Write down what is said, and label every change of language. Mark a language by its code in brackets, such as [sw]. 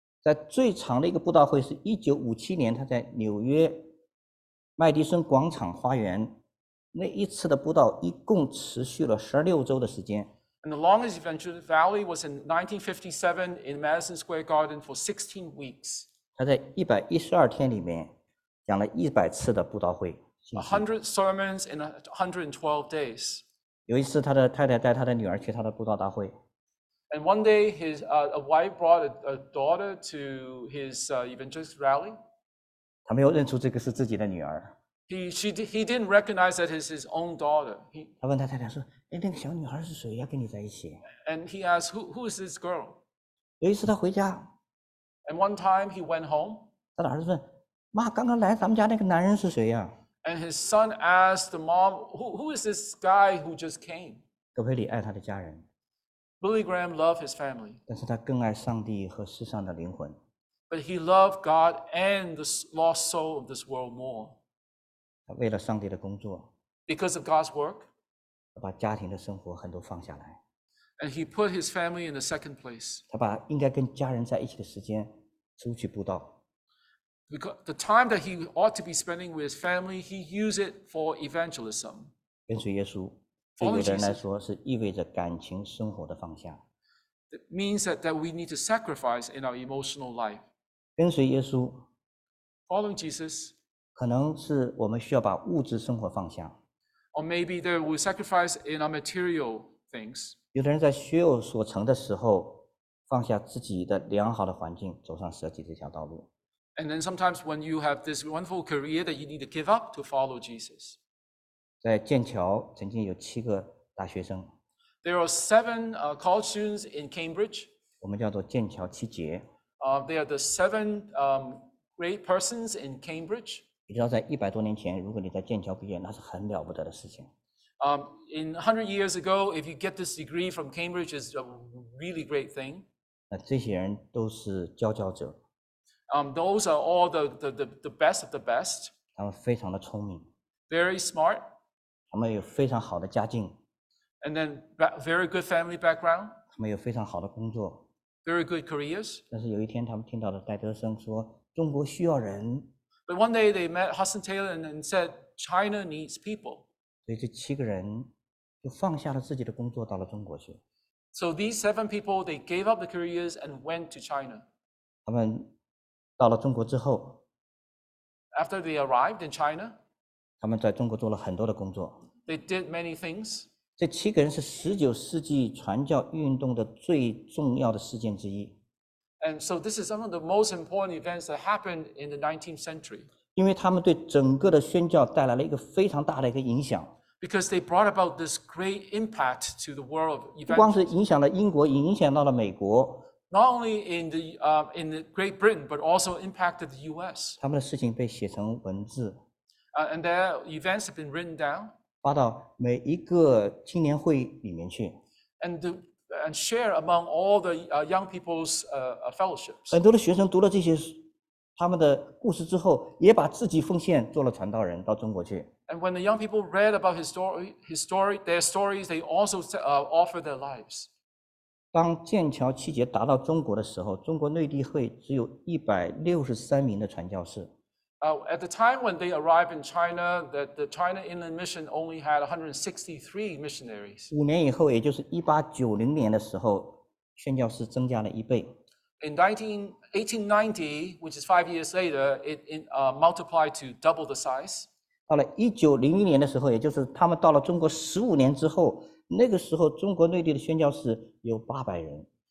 [zh] 在最长的一个布道会是1957年，他在纽约麦迪逊广场花园那一次的布道，一共持续了16周的时间。 [en] And the longest evangelistic rally was in 1957 in Madison Square Garden for 16 weeks. [zh] 他在112天里面讲了100次的布道会。 [en] 100 sermons in 112 days. [zh] 有一次，他的太太带他的女儿去他的布道大会。 [en] And one day, his a wife brought a daughter to his evangelist rally. [zh] 他没有认出这个是自己的女儿。 [en] He didn't recognize that it's his own daughter. [zh] 他问他太太说：“哎，那个小女孩是谁呀？跟你在一起？” [en] And he asked, "Who is this girl?" [zh] 有一次他回家。 [en] And one time he went home. [zh] 他的儿子问：“妈，刚刚来咱们家那个男人是谁呀？” [en] And his son asked the mom, "Who is this guy who just came?" [zh] 葛培里爱他的家人。 [en] Billy Graham loved his family. [zh] 但是他更爱上帝和世上的灵魂。 [en] But he loved God and the lost soul of this world more. [zh] 他为了上帝的工作。 [en] Because of God's work. [zh] 他把家庭的生活很多放下来。 [en] And he put his family in the second place. [zh] 他把应该跟家人在一起的时间出去布道。 [en] Because the time that he ought to be spending with his family, he used it for evangelism. [zh] 跟随耶稣，对有的人来说是意味着感情生活的放下。 [en] It means that we need to sacrifice in our emotional life. [zh] 跟随耶稣 [en] ，Following Jesus， [zh] 可能是我们需要把物质生活放下。 [en] Or maybe they will sacrifice in our material things. [zh] 有的人在学有所成的时候，放下自己的良好的环境，走上舍己这条道路。 [en] And then sometimes when you have this wonderful career that you need to give up to follow Jesus. [zh] 在剑桥曾经有七个大学生。 [en] There are seven college students in Cambridge. [zh] 我们叫做剑桥七杰。 [en] They are the seven great persons in Cambridge. [zh] 你知道在100多年前，如果你在剑桥毕业，那是很了不得的事情。 [en] In 100 years ago, if you get this degree from Cambridge, it's a really great thing. [zh] 那这些人都是佼佼者。 [en] Those are all the best of the best. [zh] 他们非常的聪明。 [en] Very smart. [zh] 他们有非常好的家境。 [en] And then very good family background. [zh] 他们有非常好的工作。 [en] Very good careers. [zh] 但是有一天，他们听到了戴德生说：“中国需要人。” [en] But one day they met Hudson Taylor and said, "China needs people." [zh] 所以这七个人就放下了自己的工作，到了中国去。 [en] So these seven people they gave up the careers and went to China. [zh] 他们到了中国之后 [en] ，After they arrived in China, [zh] 他们在中国做了很多的工作。 [en] They did many things. [zh] 这七个人是19世纪传教运动的最重要的事件之一。 [en] And so this is some of the most important events that happened in the 19th century. [zh] 因为他们对整个的宣教带来了一个非常大的一个影响。 [en] Because they brought about this great impact to the world of evangelism. [zh] 不光是影响了英国，影响到了美国。 [en] Not only in the Great Britain, but also impacted the U.S. [zh] 他们的事情被写成文字。 [en] And their events have been written down. [zh] 发到每一个青年会里面去。 [en] And share among all the young people's fellowships. [zh] 很多的学生读了这些他们的故事之后，也把自己奉献做了传道人，到中国去。 [en] And when the young people read about their stories, they also offered their lives. [zh] 当剑桥七杰达到中国的时候，中国内地会只有163名的传教士。 [en] At the time when they arrived in China, that the China Inland Mission only had 163 missionaries. [zh] 五年以后，也就是1890年的时候，宣教士增加了一倍。 [en] In 1890, which is 5 years later, multiplied to double the size. [zh] 到了1900年的时候，也就是他们到了中国15年之后，那个时候中国内地的宣教士有800人。